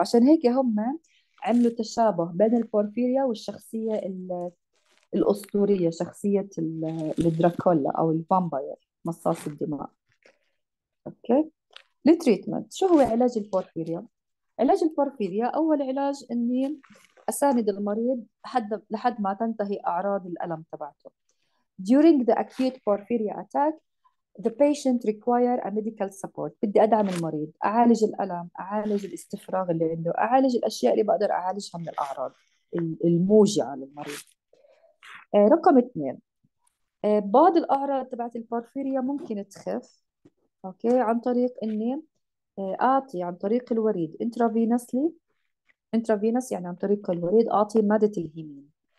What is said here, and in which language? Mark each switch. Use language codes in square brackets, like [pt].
[ar] عشان هيك هم عملوا تشابه بين البورفيريا والشخصية الأسطورية، شخصية الدراكولا أو الفامباير، مصاص الدماء. أوكي، التريتمنت، شو هو علاج البورفيريا؟ علاج البورفيريا أول علاج إني أساند المريض لحد ما تنتهي أعراض الألم تبعته. [en] During the acute porphyria attack, the patient require a medical support. [ar] بدي أدعم المريض، أعالج الألم، أعالج الاستفراغ اللي عنده، أعالج الأشياء اللي بقدر أعالجها من الأعراض الموجعة للمريض. رقم اثنين، بعض الأعراض تبعت البورفيريا ممكن تخف، أوكي، عن طريق إني أعطي عن طريق الوريد intravenously، intravenous يعني عن طريق الوريد، أعطي مادة الهيمين.